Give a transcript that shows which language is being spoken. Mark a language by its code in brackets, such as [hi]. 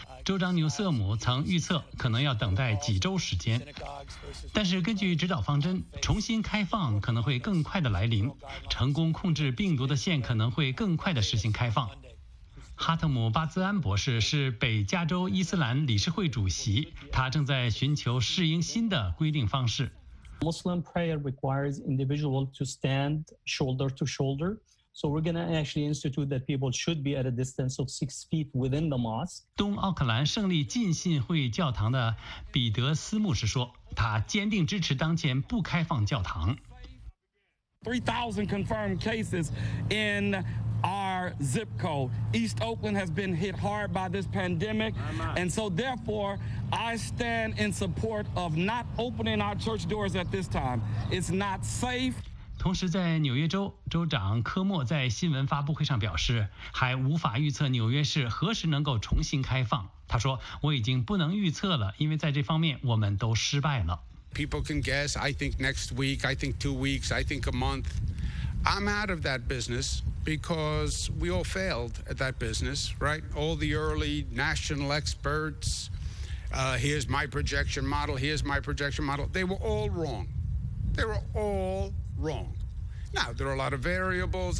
[zh] 州长纽瑟姆曾预测可能要等待几周时间，但是根据指导方针，重新开放可能会更快的来临，成功控制病毒的县可能会更快的实行开放。哈特姆·巴兹安博士是北加州伊斯兰理事会主席，他正在寻求适应新的规定方式。 [en] Muslim prayer requires individual to stand shoulder to shoulder, so we're going to actually institute that people should be at a distance of 6 feet within the mosque. [zh] 东奥克兰胜利浸信会教堂的彼得斯牧师说，他坚定支持当前不开放教堂。 [en] 3,000 confirmed cases in. Our zip code, East Oakland, has been hit hard by this pandemic, and so therefore, I stand in support of not opening our church doors at this time. It's not safe. [zh] 同时，在纽约州，州长科莫在新闻发布会上表示，还无法预测纽约市何时能够重新开放。他说：“我已经不能预测了，因为在这方面我们都失败了。” [en] People can guess. I think next week. I think 2 weeks. I think a month. I'm out of that business because we all failed at that business, right? All the early national experts, here's my projection model, here's my projection model. They were all wrong. They were all wrong. Now, there are a lot of variables.